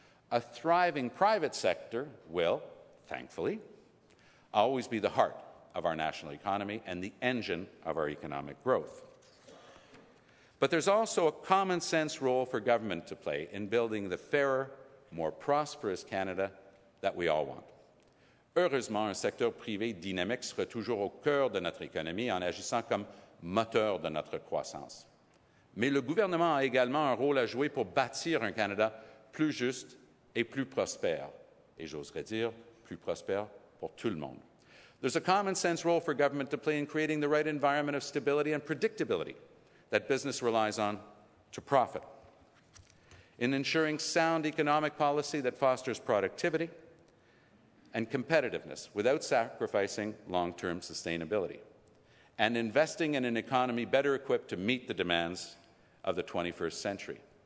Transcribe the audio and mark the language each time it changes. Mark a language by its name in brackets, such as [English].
[English] A thriving private sector will, thankfully, always be the heart of our national economy and the engine of our economic growth. But there's also a common sense role for government to play in building the fairer, more prosperous Canada that we all want. [French] Heureusement, un secteur privé dynamique sera toujours au cœur de notre économie en agissant comme moteur de notre croissance. Mais le gouvernement a également un rôle à jouer pour bâtir un Canada plus juste et plus prospère, et j'oserais dire plus prospère pour tout le monde. [English] There's a common sense role for government to play in creating the right environment of stability and predictability that business relies on to profit, in ensuring sound economic policy that fosters productivity and competitiveness without sacrificing long-term sustainability, and investing in an economy better equipped to meet the demands of the 21st century.